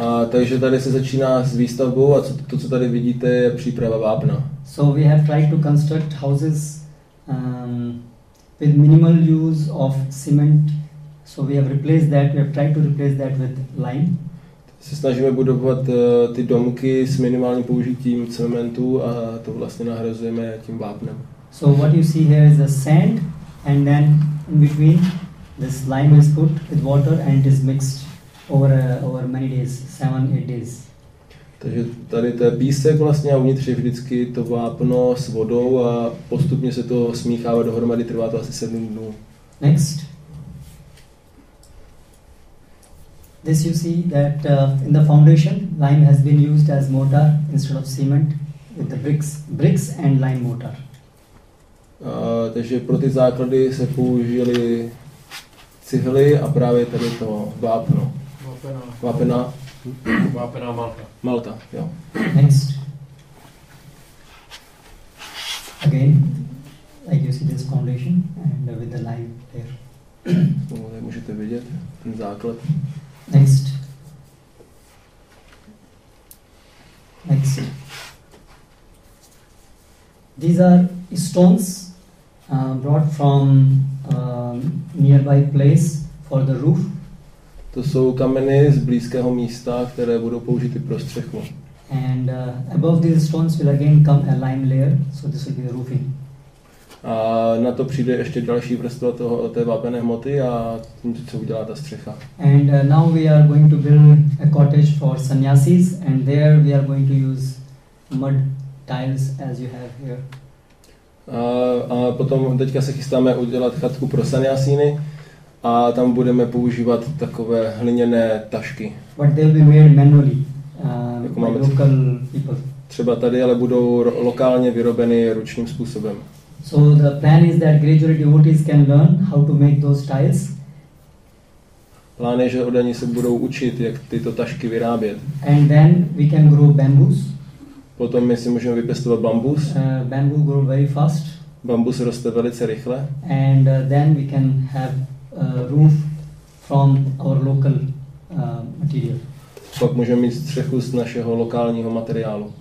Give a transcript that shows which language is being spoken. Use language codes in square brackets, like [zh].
[cs] Takže tady se začíná s výstavbou a to, co tady vidíte, je příprava vápna. [en] So we have tried to construct houses with minimal use of cement. So we have replaced that, we have tried to replace that with lime. [cs] Se snažíme budovat ty domky s minimálním použitím cementu a to vlastně nahrazujeme tím vápnem. [en] So what you see here is the sand and then in between this lime is put with water and it is mixed over over many days, 7-8 days. [cs] Takže tady to je písek vlastně a uvnitř je vždycky to vápno s vodou a postupně se to smíchává dohromady, trvá to asi 7 dnů. [en] Next. This you see that in the foundation lime has been used as mortar instead of cement with the bricks and lime mortar. [cs] Takže pro ty základy se použili cihly a právě tady to vápno. Vápená malta. Malta, jo. [en] Next. Again, like you see this foundation and with the lime there. [cs] Tady můžete vidět ten základ. [en] Next. Next. These are stones brought from nearby place for the roof. [cs] To jsou kameny z blízkého místa, které budou použity pro střechu. [en] And above these stones will again come a lime layer, so this will be the roofing. [cs] A na to přijde ještě další vrstva toho té vápené hmoty a tím se udělá ta střecha. [en] And now we are going to build a cottage for sannyasis and there we are going to use mud tiles as you have here. [cs] A potom teďka se chystáme udělat chatku pro sannyasíny a tam budeme používat takové hliněné tašky. [en] But they will be made manually. [cs] Jako by [en] local people. [cs] Třeba tady, ale budou lokálně vyrobeny ručním způsobem. [en] So the plan is that gradually devotees can learn how to make those tiles. [cs] Plán je, že oni se budou učit, jak tyto tašky vyrábět. [en] And then we can grow bamboos. [cs] Potom my si můžeme vypěstovat bambus. [en] Bamboo grow very fast. [cs] Bambus roste velice rychle. [en] And then we can have a roof from our local material. [cs] Pak můžeme mít střechu z našeho lokálního materiálu.